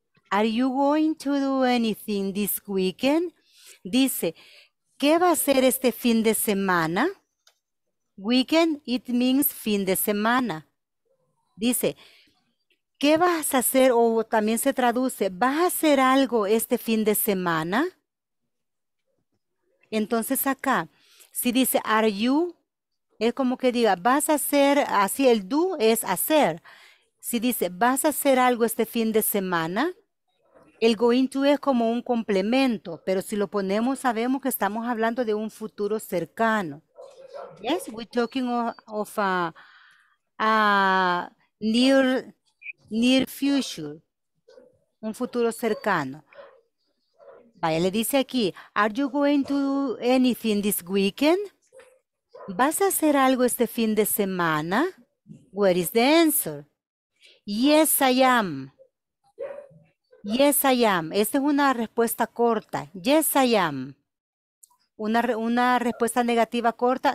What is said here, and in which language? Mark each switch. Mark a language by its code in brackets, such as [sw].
[en] Are you going to do anything this weekend? [es] Dice, ¿qué va a hacer este fin de semana? [en] Weekend, it means [es] fin de semana. Dice, ¿qué vas a hacer? O también se traduce, ¿vas a hacer algo este fin de semana? Entonces acá, si dice, are you, es como que diga, vas a hacer, así el do es hacer. Si dice, ¿vas a hacer algo este fin de semana? El going to es como un complemento, pero si lo ponemos, sabemos que estamos hablando de un futuro cercano. [en] Yes, we're talking of a near future, [es] un futuro cercano. Vaya, le dice aquí, [en] are you going to do anything this weekend? [es] ¿Vas a hacer algo este fin de semana? [en] Where is the answer? Yes, I am. Yes, I am. [es] Esta es una respuesta corta. [en] Yes, I am. [es] Una respuesta negativa corta.